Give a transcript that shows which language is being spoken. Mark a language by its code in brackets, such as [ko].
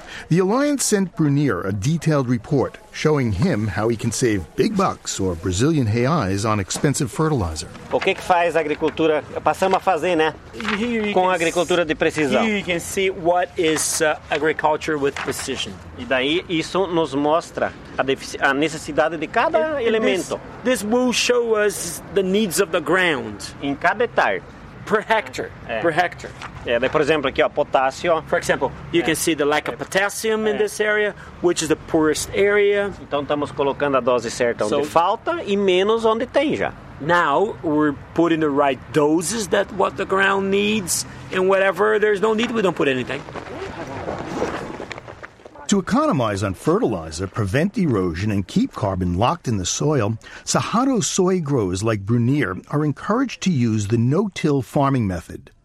[en] The alliance sent Brunier a detailed report showing him how he can save big bucks or Brazilian reais on expensive fertilizer. [pt] O que faz a agricultura? Passamos a fazer, né? Com a agricultura de precisão. [en] Here you can see what is agriculture with precision. [pt] E daí isso nos mostra a necessidade de cada elemento. [en] This will show us the needs of the ground. [pt] Em cada hectare. [en] Per hectare. Yeah, for example, [pt] aqui, ó, potássio. [en] For example, you can see the lack of potassium in this area, which is the poorest area. [pt] Então estamos colocando a dose certa onde falta e menos onde tem já. [en] Now we're putting the right doses that what the ground needs, and whatever there's no need, we don't put anything. To economize on fertilizer, prevent erosion, and keep carbon locked in the soil, Saharo soy growers like Brunier are encouraged to use the no-till farming method.